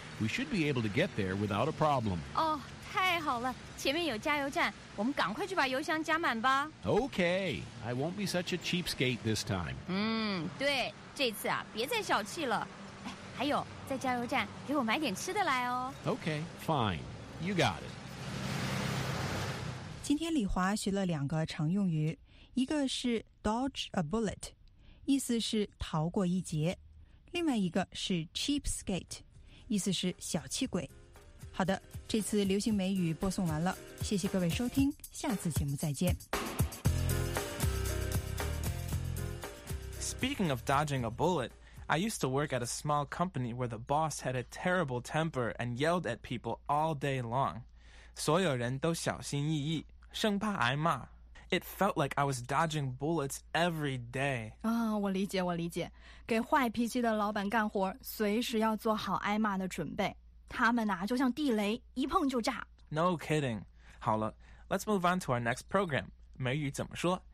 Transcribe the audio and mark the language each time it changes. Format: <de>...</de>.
<en>We should be able to get there without a problem.</en> <zh>Oh, 太好了，前面有加油站，我们赶快去把油箱加满吧。</zh> <en>Okay, I won't be such a cheapskate this time.</en> <zh>嗯，对，这次啊，别再小气了。哎，还有，在加油站给我买点吃的来哦。</zh> <en>Okay, fine. You got it.</en> <zh>今天李华学了两个常用语，一个是</zh> <en>dodge a bullet。</en> <zh>意思是逃过一劫，另外一个是 cheapskate， 意思是小气鬼。好的，这次流行美语播送完了，谢谢各位收听，下次节目再见。</zh> <en>Speaking of dodging a bullet, I used to work at a small company where the boss had a terrible temper and yelled at people all day long.</en> <zh>所有人都小心翼翼，生怕挨骂。</zh> <en>It felt like I was dodging bullets every day.</en> <zh>啊、oh, ，我理解，我理解。给坏脾气的老板干活，随时要做好挨骂的准备。他们呐、啊，就像地雷，一碰就炸。</zh> <en>No kidding.</en> <zh>好了</zh> <en>，Let's move on to our next program.</en> <zh>美语怎么说？</zh>